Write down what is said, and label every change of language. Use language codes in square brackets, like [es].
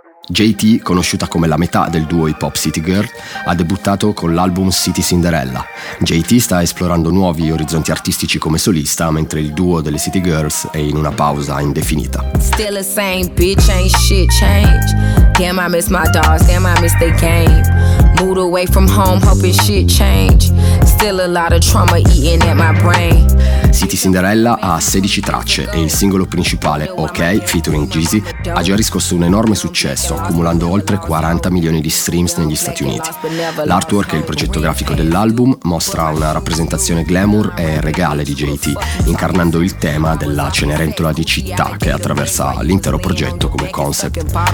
[it] JT, conosciuta come la metà del duo hip hop City Girl, ha debuttato con l'album City Cinderella. JT sta esplorando nuovi orizzonti artistici come solista, mentre il duo delle City Girls è in una pausa indefinita. [en] Still the same bitch, ain't shit change. Damn, I miss my dogs, damn, I miss they came. Moved away from home, hoping shit change. Still a lot of trauma eating at my brain. [it] City Cinderella ha 16 tracce e il singolo principale, OK, featuring Jeezy, ha già riscosso un enorme successo, accumulando oltre 40 milioni di streams negli Stati Uniti. L'artwork e il progetto grafico dell'album mostra una rappresentazione glamour e regale di JT, incarnando il tema della Cenerentola di città che attraversa l'intero progetto come concept.